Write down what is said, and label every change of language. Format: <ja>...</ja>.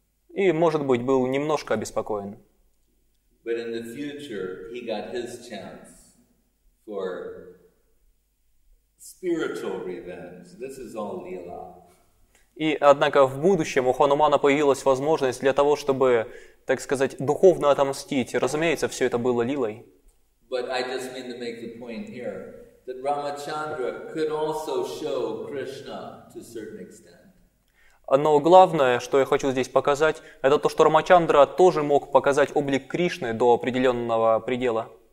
<ru>И, может быть, был немножко обеспокоен.</ru> <en>But in the future, he got his chance for spiritual revenge. This is all lila.</en> <ru>И, однако, в будущем у Ханумана появилась возможность для того, чтобы, так сказать, духовно отомстить. Разумеется, все это было лилой.</ru> <en>But I just mean to make the point here that Ramachandra could also show Krishna to a certain extent.</en> <ru>Но главное, что я хочу здесь показать, это то, что Рамачандра тоже мог показать облик Кришны до определенного предела.</ru>